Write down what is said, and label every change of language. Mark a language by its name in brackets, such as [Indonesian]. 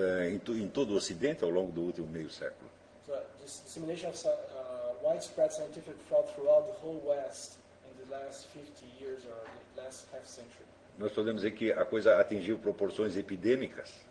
[Portuguese] em todo o Ocidente ao longo do último meio século. [English] So this dissemination of widespread scientific fraud throughout the whole West in the last 50 years or the last half century. [Portuguese] Nós podemos dizer que a coisa atingiu proporções epidêmicas.